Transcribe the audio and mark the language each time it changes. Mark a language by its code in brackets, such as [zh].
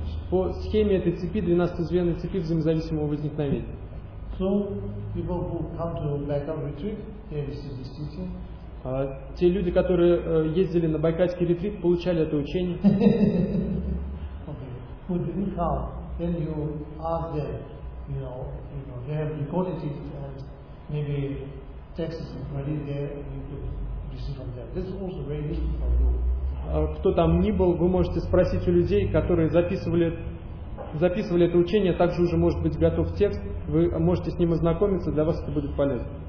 [ru] По схеме этой цепи, 12-звенной цепи взаимозависимого возникновения. [en] So people who come to Baikal retreat, they receive this teaching. [ru] Те люди, которые ездили на байкальский ретрит, получали это учение. [en] Okay. Who didn't come, then you ask them, you know, they have recorded it and maybe texts is already there and you could receive from them. This is also very useful for you. [ru] Кто там ни был, вы можете спросить у людей, которые записывали это учение, также уже может быть готов текст, вы можете с ним ознакомиться, для вас это будет полезно.